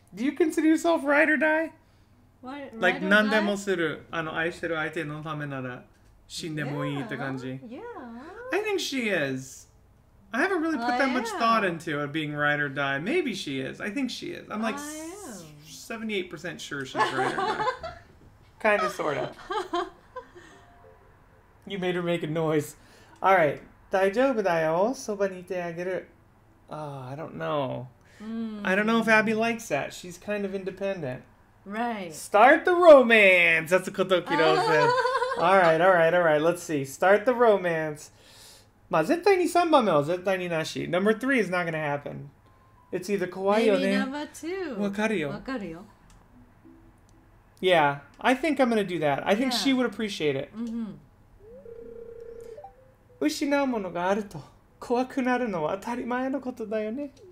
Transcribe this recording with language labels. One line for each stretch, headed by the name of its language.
English: Do you consider yourself ride or die? What, like ride or
Japanese: 何でもする、あの愛してる相手のためなら死んでもいいって感じ。
English: Yeah. I think she is. I haven't really put that much thought into it being ride or die. Maybe she is. I think she is. I'm like 78% sure she's right or not. Kind of, sort of. You made her make a noise. Alright.
Japanese: 大丈夫だよ。そばにいてあげる。
English: I don't know. I don't know if Abby likes that. She's kind of independent. Right. Start the romance! That's a Kotokiro said. Alright. Let's see. Start the romance.
Japanese: まあ絶対に3番目は絶対になし。
English: Number 3 is not gonna happen. It's either
Japanese: 怖いよね。
English: Maybe number 2.
Japanese: わかるよ。わかるよ。
English: Yeah, I think I'm gonna do that. I think she would appreciate it. Mm-hmm.
Japanese: 失うものがあると怖くなるのは当たり前のことだよね。